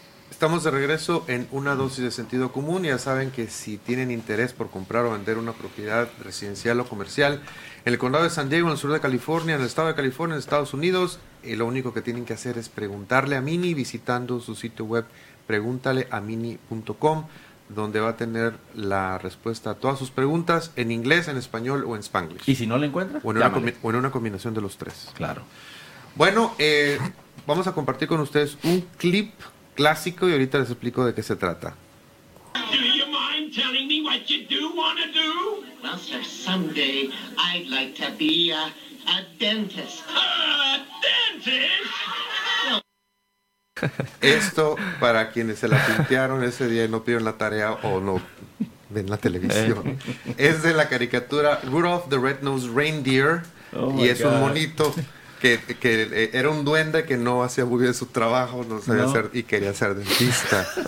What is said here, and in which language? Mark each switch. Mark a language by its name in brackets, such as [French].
[Spanish] Estamos de regreso en una dosis de sentido común. Ya saben que si tienen interés por comprar o vender una propiedad residencial o comercial en el condado de San Diego, en el sur de California, en el estado de California, en Estados Unidos, lo único que tienen que hacer es preguntarle a Mini visitando su sitio web, preguntaleamini.com, donde va a tener la respuesta a todas sus preguntas en inglés, en español o en Spanglish. ¿Y si no la encuentra? O en una combinación de los tres. Claro. Bueno, vamos a compartir con ustedes un clip clásico y ahorita les explico de qué se trata. [English] Do you mind telling me what you do want to do? Well, sir, someday I'd like to be a dentist. A dentist? [Spanish] Esto, para quienes se la pintearon ese día y no pidieron la tarea o no ven la televisión, es de la caricatura Rudolph the Red-Nosed Reindeer. Oh, y es God. Un monito que era un duende que no hacía muy bien su trabajo, no sabía hacer, y quería ser dentista.